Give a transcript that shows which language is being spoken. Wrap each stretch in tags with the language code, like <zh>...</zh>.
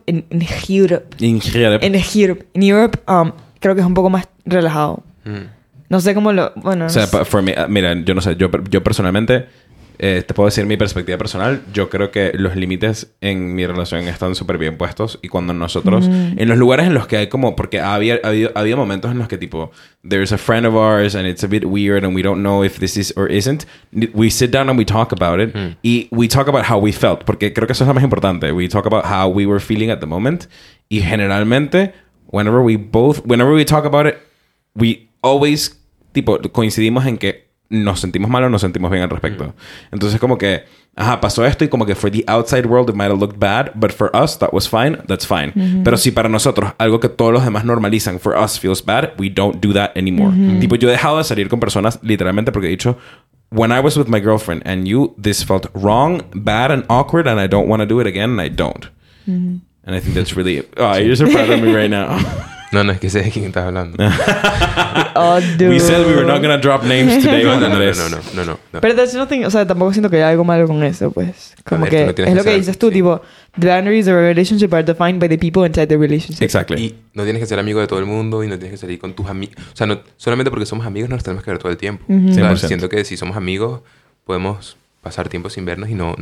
<en>In Europe,</en> <es>creo que es un poco más relajado. No sé cómo lo... Bueno, o sea,</es> <en>for me...</en> <es>Mira, yo no sé. Yo personalmente... te puedo decir mi perspectiva personal. Yo creo que los límites en mi relación están súper bien puestos. Y cuando nosotros... En los lugares en los que hay como... Porque había momentos en los que tipo...</es> <en>There's a friend of ours and it's a bit weird and we don't know if this is or isn't. We sit down and we talk about it. Y we talk about how we felt.</en> <es>Porque creo que eso es lo más importante.</es> <en>We talk about how we were feeling at the moment.</en> <es>Y generalmente,</es> <en>whenever we talk about it, we always</en> <es>tipo coincidimos en que... nos sentimos mal o nos sentimos bien al respecto. Entonces, como que... ajá, pasó esto y como que</es> <en>for the outside world it might have looked bad, but for us that was fine, that's fine.</en> <es>Pero si para nosotros algo que todos los demás normalizan</es> <en>for us feels bad, we don't do that anymore.</en> <es>Tipo, yo he dejado de salir con personas literalmente porque he dicho...</es> <en>when I was with my girlfriend and you, this felt wrong, bad and awkward and I don't want to do it again and I don't. And I think that's really... oh, you're so proud of me right now.</en> <es>No, no, es que sé de quién estás hablando.</es> <en>Oh, dude. We said we were not gonna drop names today.</en> <es>No. Pero</es> <en>there's nothing...</en> <es>o sea, tampoco siento que haya algo malo con eso, pues. Como ver, que no es lo que dices tú, sí. Tipo...</es> <en>the boundaries of a relationship are defined by the people inside the relationship. Exactly.</en> <es>Y no tienes que ser amigo de todo el mundo y no tienes que salir con tus amigos. O sea, no, solamente porque somos amigos no nos tenemos que ver todo el tiempo. Mm-hmm. O sea, siento que si somos amigos podemos pasar tiempo sin vernos y no...</es>